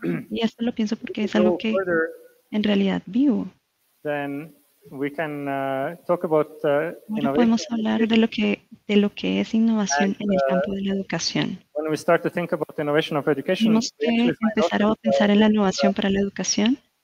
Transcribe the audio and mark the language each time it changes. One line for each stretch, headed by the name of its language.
Spanish: y esto lo pienso porque es algo que further, en realidad vivo.
English: Then we can talk about innovation.
Spanish: Podemos hablar de lo que es innovación en el campo de la educación.
English: When we start to think about the innovation of education,
Spanish: tenemos que empezar a pensar en la innovación para la educación.